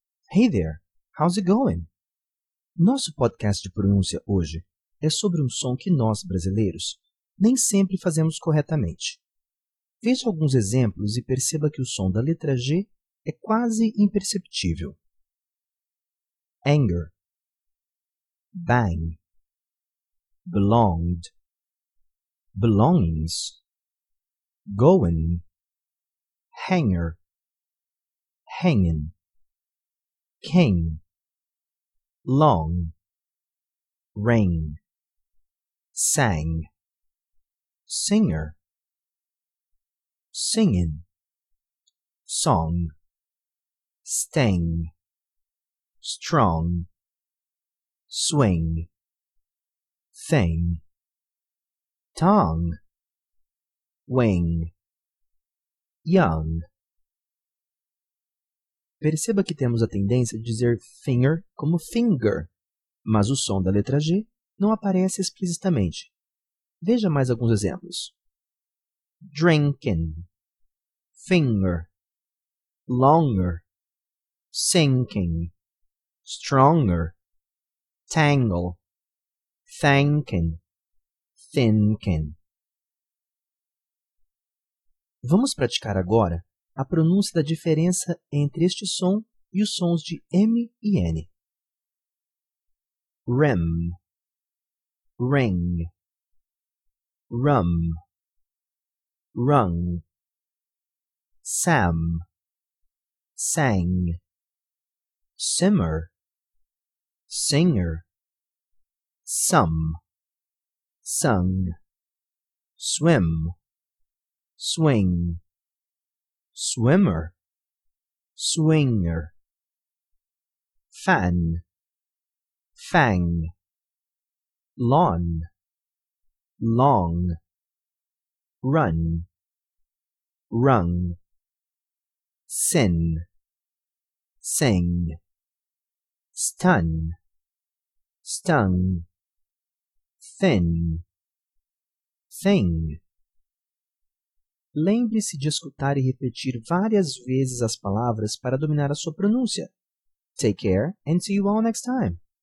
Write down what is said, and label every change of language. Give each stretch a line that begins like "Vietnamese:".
English: Hey there, how's it going?
Portuguese: Nosso podcast de pronúncia hoje é sobre um som que nós, brasileiros, nem sempre fazemos corretamente. Veja alguns exemplos e perceba que o som da letra G é quase imperceptível.
English: Anger, bang, belonged, belongings, going, hanger, hanging, king, long, ring, sang, singer, singing, song, sting, strong, swing, thing, tongue, wing, young.
Portuguese: Perceba que temos a tendência de dizer finger como finger, mas o som da letra G não aparece explicitamente. Veja mais alguns exemplos.
English: Drinking, finger, longer, sinking, stronger, tangle, thanking, thinking.
Portuguese: Vamos praticar agora a pronúncia da diferença entre este som e os sons de M e N.
English: Rim, ring, rum, rung, sam, sang, simmer, singer, sum, sung, swim, swing, swimmer, swinger, fan, fang, lawn, long, run, rung, sin, sing, stun, stung, thin, thing.
Portuguese: Lembre-se de escutar e repetir várias vezes as palavras para dominar a sua pronúncia.
English: Take care and see you all next time.